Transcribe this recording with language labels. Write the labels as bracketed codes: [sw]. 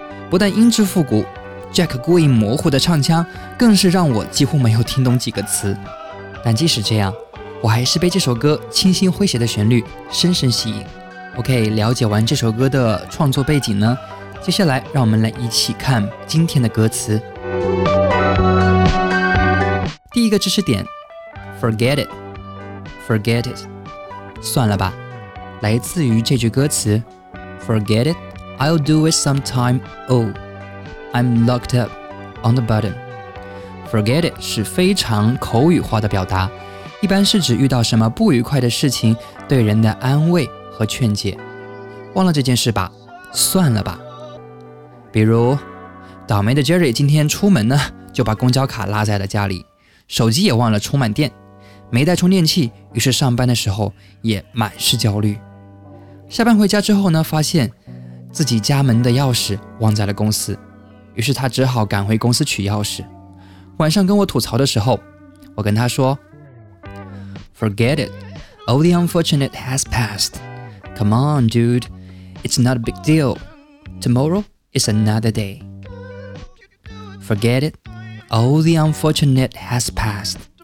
[zh] 不但音质复古， Jack 故意模糊的唱腔更是让我几乎没有听懂几个词。但即使这样，我还是被这首歌清新诙谐的旋律深深吸引。 OK， 了解完这首歌的创作背景呢，接下来让我们来一起看今天的歌词。第一个知识点， Forget it， Forget it， 算了吧，来自于这句歌词 [en] Forget it, I'll do it sometime, oh I'm locked up on the button。 [zh] Forget it 是非常口语化的表达，一般是指遇到什么不愉快的事情对人的安慰和劝解，忘了这件事吧，算了吧。比如倒霉的 Jerry 今天出门呢就把公交卡落在了家里，手机也忘了充满电，没带充电器，于是上班的时候也满是焦虑。下班回家之后呢，发现自己家门的钥匙忘在了公司，于是他只好赶回公司取钥匙。晚上跟我吐槽的时候，我跟他说 [en] Forget it, all the unfortunate has passed. Come on dude, it's not a big deal. Tomorrow is another day. Forget itAll the unfortunate has passed.